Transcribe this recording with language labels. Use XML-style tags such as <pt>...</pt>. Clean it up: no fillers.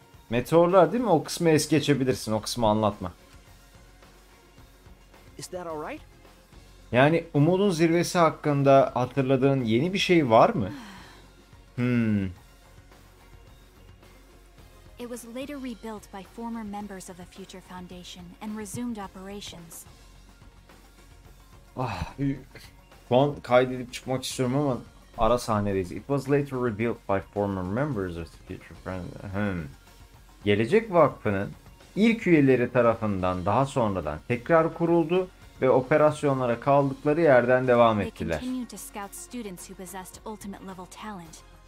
<tr>Meteorlar değil mi? O kısmı es geçebilirsin. O kısmı anlatma. Yani Umudun Zirvesi hakkında hatırladığın yeni bir şey var mı?</tr> <en>It was later rebuilt by former members of the Future Foundation and resumed operations.</en> <tr>Ah, puan kaydedip çıkmak istiyorum ama ara sahnedeyiz.</tr> <en>It was later rebuilt by former members of the Future Foundation.</en> <tr>Gelecek Vakfı'nın ilk üyeleri tarafından daha sonradan tekrar kuruldu ve operasyonlara kaldıkları yerden devam ettiler.</tr> <en>They continued to scout students who possessed ultimate level talent.</en>